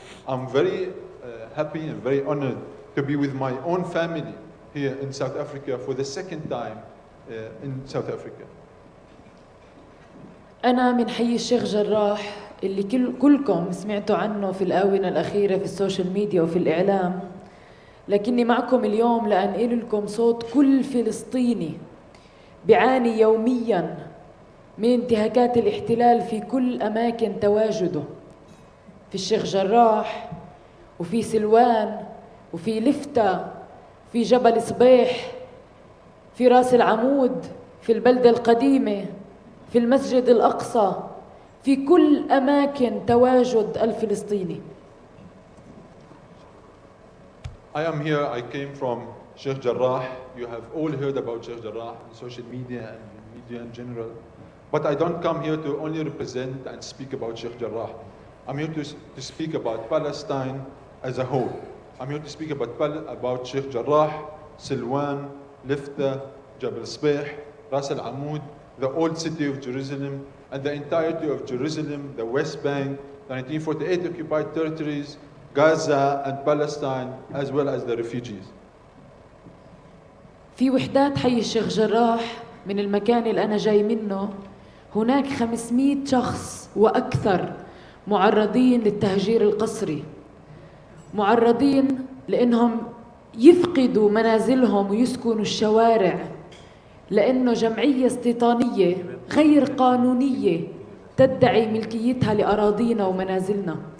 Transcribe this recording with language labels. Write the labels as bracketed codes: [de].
[en] I'm very happy and very honored to be with my own family here in South Africa for the second time in South Africa. [ar] أنا من حي الشيخ جراح اللي كلكم سمعتوا عنه في الآونة الأخيرة في السوشيال ميديا وفي الإعلام. لكني معكم اليوم لأن أقول لكم صوت كل فلسطيني بعاني يومياً من انتهاكات الاحتلال في كل أماكن تواجده في الشيخ جراح وفي سلوان وفي لفتة في جبل صبيح في راس العمود في البلدة القديمة في المسجد الأقصى في كل أماكن تواجد الفلسطيني [en] I am here, I came from Sheikh Jarrah. You have all heard about Sheikh Jarrah in social media and media in general. But I don't come here to only represent and speak about Sheikh Jarrah. I'm here to speak about Palestine as a whole. I'm here to speak about Sheikh Jarrah, Silwan, Lifta, Jabal Sbeh, Ras Al Amud, the old city of Jerusalem, and the entirety of Jerusalem, the West Bank, the 1948 occupied territories, Gaza and Palestine, as well as the refugees. [ar] في وحدات حي الشيخ جراح من المكان اللي أنا جاي منه هناك 500 شخص وأكثر معرضين للتهجير القسري معرضين لأنهم يفقدوا منازلهم ويسكنوا الشوارع لأنه جمعية استيطانية غير قانونية تدعي ملكيتها لأراضينا ومنازلنا